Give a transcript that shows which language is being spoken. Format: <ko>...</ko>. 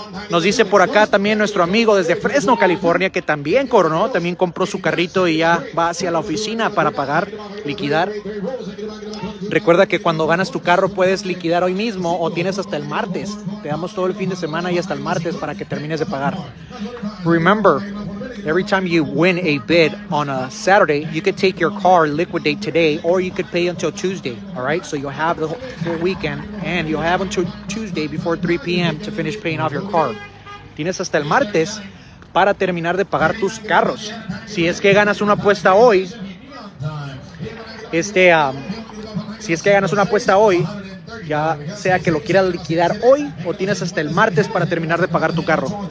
<es>Nos dice por acá también nuestro amigo desde Fresno, California, que también coronó, también compró su carrito y ya va hacia la oficina para pagar, liquidar. Recuerda que cuando ganas tu carro puedes liquidar hoy mismo o tienes hasta el martes. Te damos todo el fin de semana y hasta el martes para que termines de pagar.</es> <en>Remember, every time you win a bid on a Saturday, you could take your car, liquidate today, or you could pay until Tuesday, all right? So you'll have the whole weekend, and you'll have until Tuesday before 3 p.m. to finish paying off your car.</en> <es>Tienes hasta el martes para terminar de pagar tus carros. Si es que ganas una apuesta hoy, si es que ganas una apuesta hoy, ya sea que lo quieras liquidar hoy o tienes hasta el martes para terminar de pagar tu carro.</es>